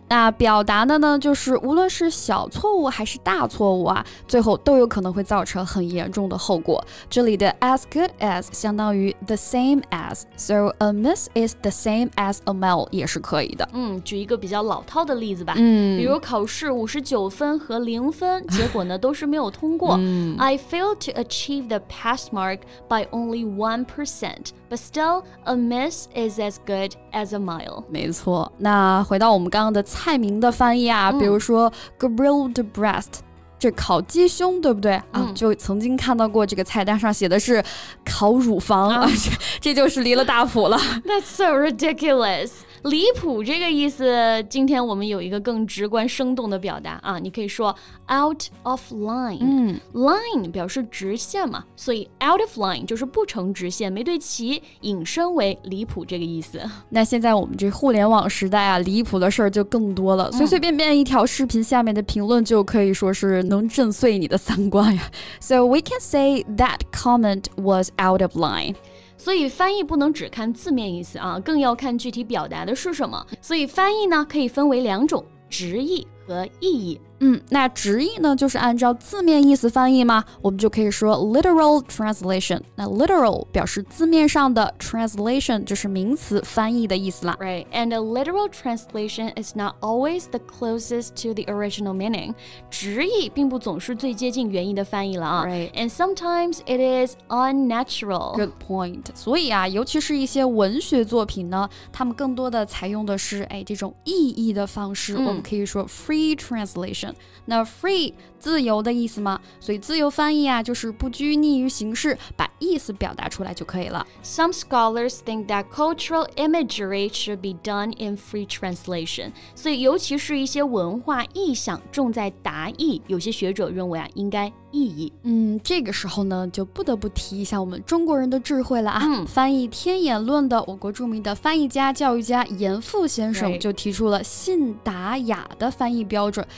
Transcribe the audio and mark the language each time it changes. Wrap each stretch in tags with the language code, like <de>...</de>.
<zh>那表达的呢就是无论是小错误还是大错误啊最后都有可能会造成很严重的后果这里的</zh> <en>as good as</en> <zh>相当于</zh> <en>the same as so a miss is the same as a mile</en> <zh>也是可以的嗯，举一个比较老套的例子吧、嗯、比如考试59分和0分结果呢都是没有通过、嗯、</zh> <en>I failed to achieve the pass mark by only 1% but still a miss is as good as a mile</en> <zh>没错那回到我们刚刚的菜名的翻译啊、嗯、比如说</zh> <en>grilled breast</en> <zh>这烤鸡胸对不对、嗯、啊就曾经看到过这个菜单上写的是烤乳房、嗯、这就是离了大谱了</zh> <en>That's so ridiculous</en> <zh>离谱这个意思，今天我们有一个更直观生动的表达啊，你可以说</zh> <en>out of line、嗯、</en> <zh>line 表示直线嘛，所以</zh> <en>out of line</en> <zh>就是不成直线，没对齐，引申为离谱这个意思。那现在我们这互联网时代啊，离谱的事儿就更多了、嗯、随随便便一条视频下面的评论就可以说是能震碎你的三观呀。</zh> <en>So we can say that comment was out of line.</en> <zh>所以翻译不能只看字面意思啊，更要看具体表达的是什么。所以翻译呢，可以分为两种，直译和意译。嗯，那直译呢，就是按照字面意思翻译吗？我们就可以说</zh> <en>literal translation。</en> <zh>那 literal 表示字面上的 translation 就是名词翻译的意思啦。</zh> <en>Right, and a literal translation is not always the closest to the original meaning.</en> <zh>直译并不总是最接近原意的翻译了啊。</zh> <en>Right. And sometimes it is unnatural. Good point.</en> <zh>所以啊，尤其是一些文学作品呢，他们更多的采用的是哎这种意译的方式、嗯。我们可以说</zh> <en>free translation。</en> <zh>那 free 自由的意思吗？所以自由翻译啊，就是不拘泥于形式，把意思表达出来就可以了。</zh> <en>Some scholars think that cultural imagery should be done in free translation.</en> <zh>所以尤其是一些文化意象重在达意，有些学者认为啊，应该意译。嗯，这个时候呢，就不得不提一下我们中国人的智慧了啊。嗯、翻译天眼论的我国著名的翻译家、教育家严复先生就提出了信达雅的翻译标准。</zh>